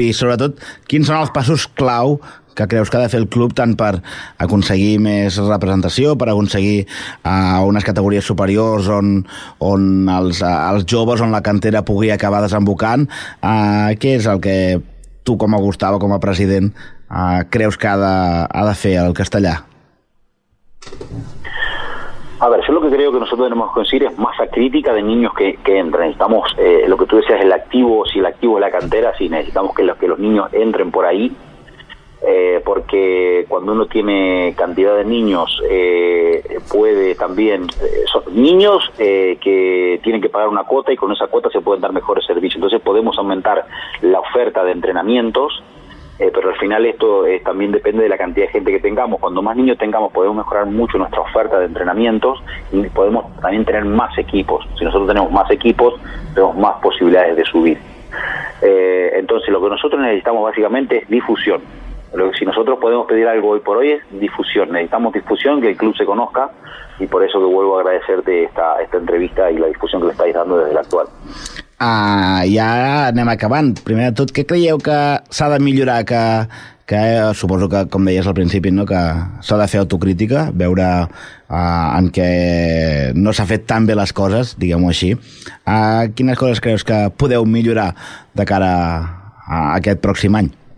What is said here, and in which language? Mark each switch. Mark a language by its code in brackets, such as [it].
[ca] I sobretot, quins són els passos clau que creus que ha de fer el club tant per aconseguir més representació, per aconseguir unes categories superiors on els joves, on la cantera pugui acabar desembocant? Què és el que tu, com a Gustavo, com a president, creus que ha de fer el Castellà? [es] A ver, yo lo que creo que nosotros tenemos que conseguir es masa crítica de niños que entren. Necesitamos, lo que tú decías, el activo, si el activo es la cantera, si necesitamos que los niños entren por ahí, porque cuando uno tiene cantidad de niños, puede también, son niños que tienen que pagar una cuota y con esa cuota se pueden dar mejores servicios. Entonces podemos aumentar la oferta de entrenamientos, pero al final esto también depende de la cantidad de gente que tengamos. Cuando más niños tengamos, podemos mejorar mucho nuestra oferta de entrenamientos y podemos también tener más equipos. Si nosotros tenemos más equipos, tenemos más posibilidades de subir. Entonces, lo que nosotros necesitamos básicamente es difusión. Lo que, si nosotros podemos pedir algo hoy por hoy, es difusión. Necesitamos difusión, que el club se conozca, y por eso que vuelvo a agradecerte esta entrevista y la difusión que le estáis dando desde la actual. [ca] Ja anem acabant. Primer de tot, què creieu que s'ha de millorar? Suposo que, com deies al principi, no, que s'ha de fer autocrítica, veure en què no s'ha fet tan bé les coses, diguem-ho així. Quines coses creus que podeu millorar de cara a aquest pròxim any?